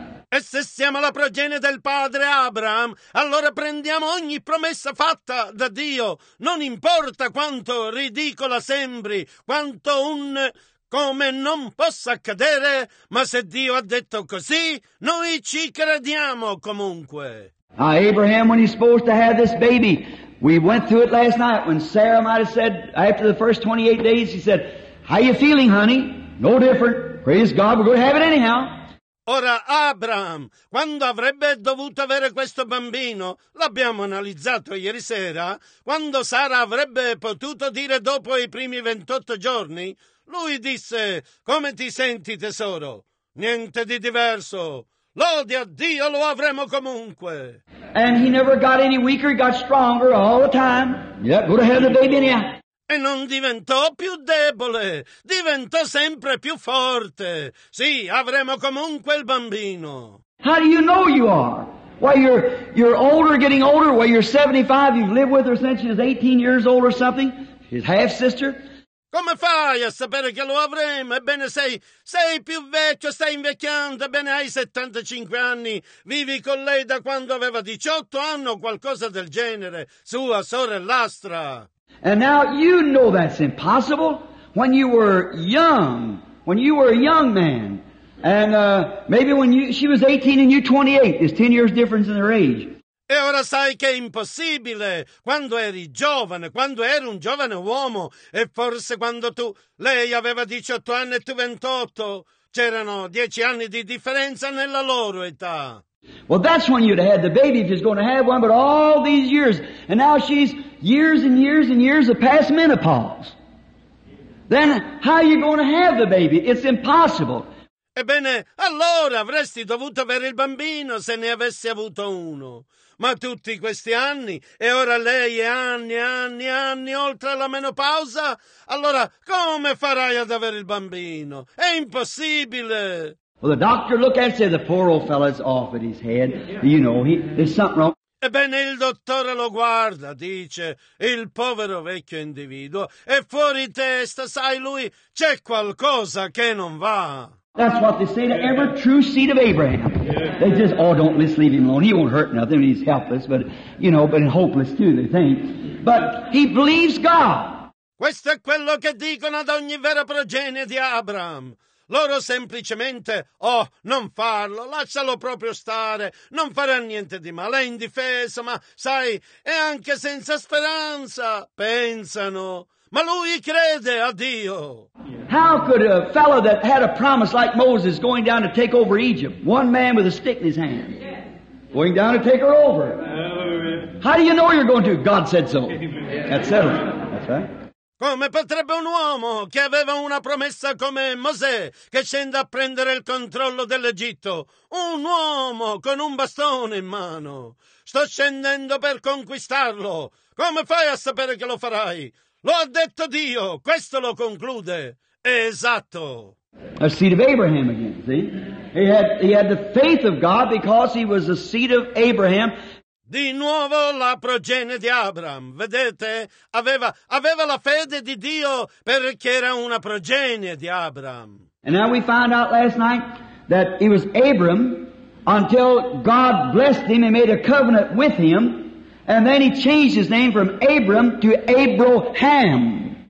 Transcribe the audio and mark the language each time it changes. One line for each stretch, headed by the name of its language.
Italian: E se siamo la progenie del padre Abraham, allora prendiamo ogni promessa fatta da Dio. Non importa quanto ridicola sembri, quanto un come non possa accadere, ma se Dio ha detto così, noi ci crediamo comunque.
English: Abraham, when he's supposed to have this baby, we went through it last night when Sarah might have said, after the first 28 days, she said, how you feeling, honey? No different. Praise God, we're going to have it anyhow.
Italian: Ora, Abraham, quando avrebbe dovuto avere questo bambino? L'abbiamo analizzato ieri sera. Quando Sara avrebbe potuto dire dopo i primi 28 giorni? Lui disse, come ti senti, tesoro? Niente di diverso. Lodi a Dio, lo avremo comunque.
English: And he never got any weaker, he got stronger all the time. Yeah, go to heaven, baby, yeah.
Italian: E non diventò più debole, diventò sempre più forte. Sì, avremo comunque il bambino.
English: How do you know you are? Why you're older, getting older? Why you're 75, you've lived with her since she was 18 years old or something? His half-sister?
Italian: Come fai a sapere che lo avremo? Ebbene sei più vecchio, stai invecchiando, ebbene hai 75 anni, vivi con lei da quando aveva 18 anni o qualcosa del genere, sua sorellastra.
English: And now you know that's impossible. When you were young, when you were a young man, and maybe when she was 18 and you 28, there's 10 years difference in her age.
Italian: E ora sai che è impossibile. Quando eri giovane, quando eri un giovane uomo, e forse quando lei aveva 18 anni e tu 28, c'erano 10 anni di differenza nella loro età.
English: Well, that's when you'd have had the baby if you're going to have one, but all these years, and now she's years and years and years of past menopause. Then how are you going to have the baby? It's impossible.
Italian: Ebbene, allora avresti dovuto avere il bambino se ne avessi avuto uno. Ma tutti questi anni, e ora lei è anni, anni, anni oltre la menopausa, allora come farai ad avere il bambino? È impossibile!
English: Well, the doctor looked at it and said, the poor old fellow's off at his head. You know, there's something wrong.
Italian: Ebbene, il dottore lo guarda, dice, il povero vecchio individuo è fuori testa, sai lui, c'è qualcosa che non va.
English: That's what they say to every true seed of Abraham. They just, oh, don't let's leave him alone. He won't hurt nothing. He's helpless, but, you know, but hopeless too, they think. But he believes God.
Italian: Questo è quello che dicono ad ogni vera progenie di Abraham. Loro semplicemente, oh, non farlo, lascialo proprio stare, non farà niente di male, è indifeso, ma sai, è anche senza speranza, pensano. Ma lui crede a Dio.
English: How could a fellow that had a promise like Moses going down to take over Egypt, one man with a stick in his hand, going down to take her over? How do you know you're going to? God said so. That's it. That's right.
Italian: Come potrebbe un uomo che aveva una promessa come Mosè che scende a prendere il controllo dell'Egitto? Un uomo con un bastone in mano. Sto scendendo per conquistarlo. Come fai a sapere che lo farai? Lo ha detto Dio. Questo lo conclude. Esatto.
English: A seed of Abraham again, see? He had the faith of God because he was a seed of Abraham.
Italian: Di nuovo la progenie di Abraham, vedete? Aveva la fede di Dio perché era una progenie di Abraham.
English: And now we found out last night that it was Abram until God blessed him and made a covenant with him, and then he changed his name from Abram to Abraham.